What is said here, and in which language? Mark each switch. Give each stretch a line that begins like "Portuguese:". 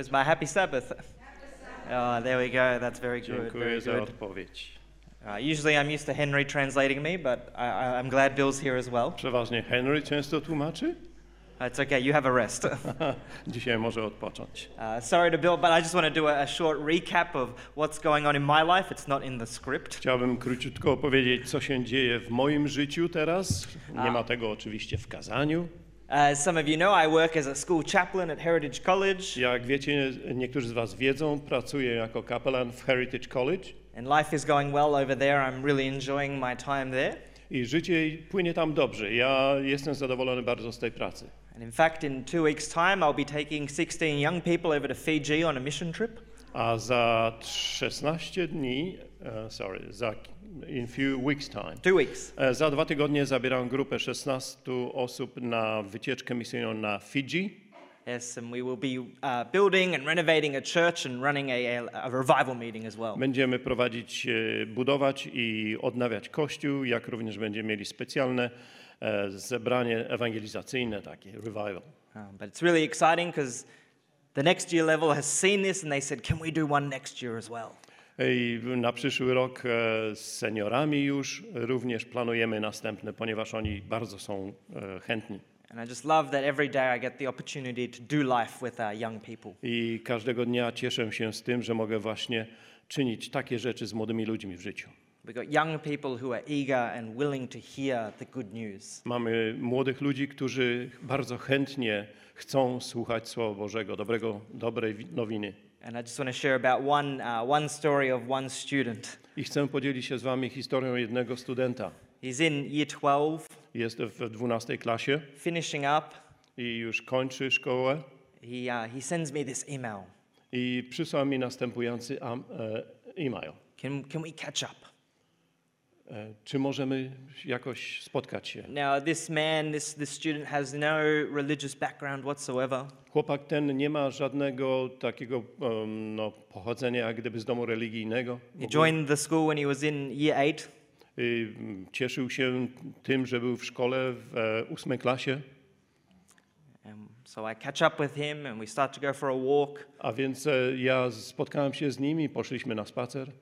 English: Where's my happy Sabbath? Oh, there we go. That's very good.
Polish: Dziękuję
English: very
Polish: za
English: good.
Polish: Odpowiedź.
English: Usually I'm used to Henry translating me, but I'm glad Bill's here as well.
Polish: Przeważnie Henry często tłumaczy.
English: It's okay, you have a rest.
Polish: Dzisiaj może odpocząć.
English: Sorry to Bill, but I just want to do a short recap of what's going on in my life. It's not in the script.
Polish: Chciałbym króciutko opowiedzieć, co się dzieje w moim życiu teraz. Nie ma tego oczywiście w kazaniu.
English: As some of you know, I work as a school chaplain at Heritage College.
Polish: Jak wiecie, niektórzy z was wiedzą, pracuję jako kapelan w Heritage College.
English: And life is going well over there. I'm really enjoying my time there.
Polish: I życie płynie tam dobrze. Ja jestem zadowolony bardzo z tej pracy.
English: And in fact, in 2 weeks' time, I'll be taking 16 young people over to Fiji on a mission trip.
Polish: A za 16 dni, sorry, za
English: in few weeks' time. 2 weeks.
Polish: Za 2 tygodnie zabieram grupę 16 osób na wycieczkę misyjną na Fiji.
English: Yes, and we will be building and renovating a church and running a revival meeting as well.
Polish: Będziemy prowadzić, budować i odnawiać kościół, jak również będziemy mieli specjalne zebranie ewangelizacyjne, takie revival.
English: But it's really exciting because the next year level has seen this and they said, can we do one next year as well?
Polish: I na przyszły rok z seniorami już również planujemy następne, ponieważ oni bardzo są chętni.
English: And I just love that every day I get the opportunity to do life with our young people.
Polish: I każdego dnia cieszę się z tym, że mogę właśnie czynić takie rzeczy z młodymi ludźmi w życiu.
English: We got young people who are eager and willing to hear the good news.
Polish: Mamy młodych ludzi, którzy bardzo chętnie chcą słuchać Słowa Bożego, dobrej nowiny.
English: And I just want to share about one story of one student.
Polish: I chcę podzielić się z wami historią jednego studenta.
English: He's in year 12.
Polish: Jest w 12 klasie.
English: Finishing up.
Polish: I już kończy szkołę.
English: He sends me this email.
Polish: I przysłał mi następujący e-mail.
English: Can we catch up?
Polish: Czy możemy jakoś spotkać się?
English: Now this man, this student has no religious background whatsoever.
Polish: Chłopak ten nie ma żadnego takiego pochodzenia, jak gdyby z domu religijnego.
English: He joined the school when he was in year 8.
Polish: I cieszył się tym, że był w szkole w 8 klasie.
English: So I catch up with him and we start to go for a walk.
Polish: A więc ja spotkałem się z nim i poszliśmy na spacer.